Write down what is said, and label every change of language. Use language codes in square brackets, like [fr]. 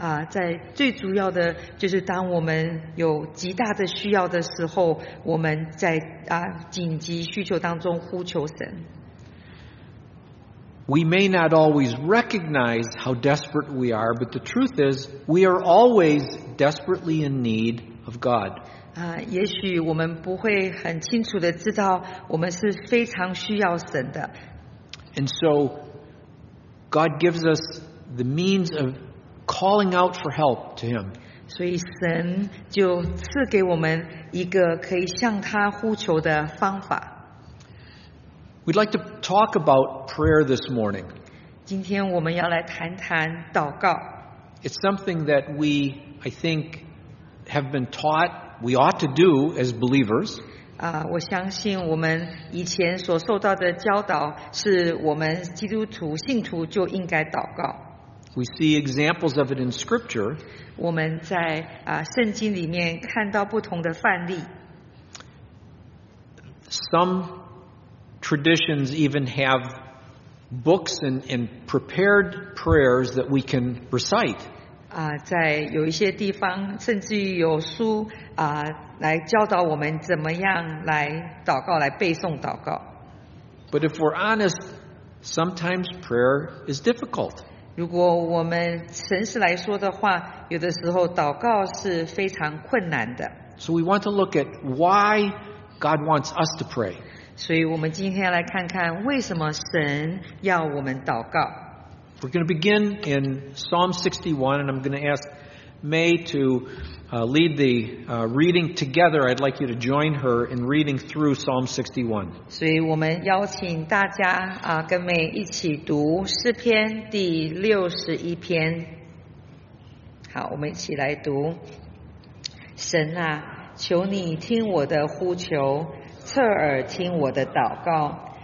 [zh] 在最主要的就是当我们有极大的需要的时候，我们在紧急需求当中呼求神。 [en] We may not always recognize how desperate we are, but the truth is, we are always desperately in need of God. [zh] 也许我们不会很清楚的知道我们是非常需要神的。 [en] And so God gives us the means of calling out for help to him. [zh] 所以神就赐给我们一个可以向他呼求的方法。 [en] We'd like to talk about prayer this morning. [zh] 今天我们要来谈谈祷告。 [en] It's something that we, I think, have been taught we ought to do as believers. [zh] 我相信我们以前所受到的教导是我们基督徒信徒就应该祷告。 [en] We see examples of it in Scripture. [zh] 我们在圣经里面看到不同的范例。 [en] Some traditions even have books and prepared prayers that we can recite. [zh] 在有一些地方甚至于有书来教导我们怎么样来祷告，来背诵祷告。 [en] But if we're honest, sometimes prayer is difficult. [zh] 如果我们诚实来说的话，有的时候祷告是非常困难的。 [en] So we want to look at why God wants us to pray. [zh] 所以我们今天要来看看为什么神要我们祷告。 [en] We're going to begin in Psalm 61, and I'm going to ask May to lead the reading together. I'd like you to join her in reading through Psalm 61. [zh] 所以我们邀请大家跟May一起读诗篇第六十一篇。好，我们一起来读。神啊，求你听我的呼求，侧耳听我的祷告。